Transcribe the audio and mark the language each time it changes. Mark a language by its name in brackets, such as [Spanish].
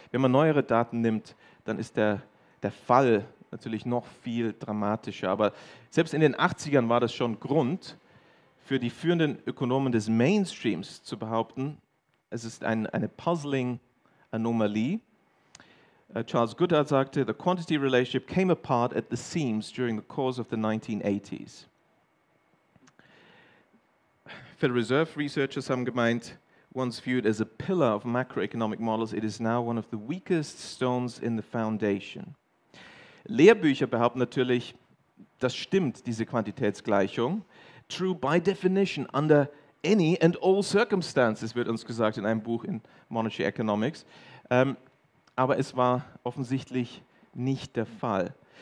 [German] Wenn man neuere Daten nimmt, dann ist der Fall natürlich noch viel dramatischer. Aber selbst in den 80ern war das schon Grund, für die führenden Ökonomen des Mainstreams zu behaupten, es ist eine puzzling Anomalie. [English] Charles Goodhart [German] sagte, [English] the quantity relationship came apart at the seams during the course of the 1980s. Federal Reserve researchers [German] haben gemeint, [English] once viewed as a pillar of macroeconomic models, it is now one of the weakest stones in the foundation. [German] Lehrbücher behaupten natürlich, das stimmt, diese Quantitätsgleichung. [English] True by definition, under any and all circumstances, [German] wird uns gesagt in einem Buch in [English] Monetary Economics. [German] Aber es war offensichtlich nicht der Fall.